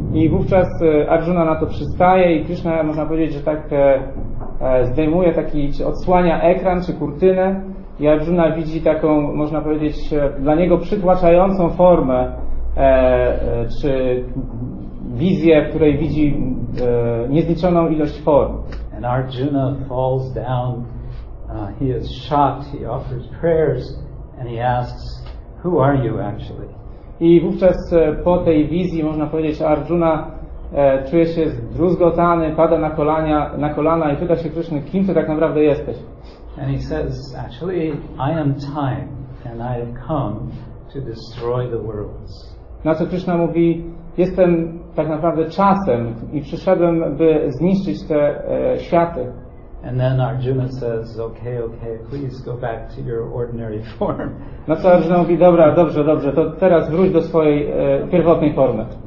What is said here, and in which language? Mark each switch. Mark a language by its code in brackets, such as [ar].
[pl] I wówczas Arjuna na to przystaje i Krishna, można powiedzieć, że tak zdejmuje taki, czy odsłania ekran, czy kurtynę i Arjuna widzi taką, można powiedzieć, dla niego przytłaczającą formę czy wizję, w której widzi niezliczoną ilość form. [en] And Arjuna falls down, he is shocked, he offers prayers and he asks, who are you actually? [pl] I wówczas po tej wizji, można powiedzieć, Arjuna czuje się zdruzgotany, pada na kolana i pyta się Krishna, kim ty tak naprawdę jesteś? [en] And he says, actually, I am time and I have come to destroy the worlds. [pl] Na co Krishna mówi, jestem tak naprawdę czasem i przyszedłem, by zniszczyć te światy. [en] And then Arjuna says, okay, please go back to your ordinary form. [pl] No co Arjuna mówi, dobrze, to teraz wróć do swojej pierwotnej formy.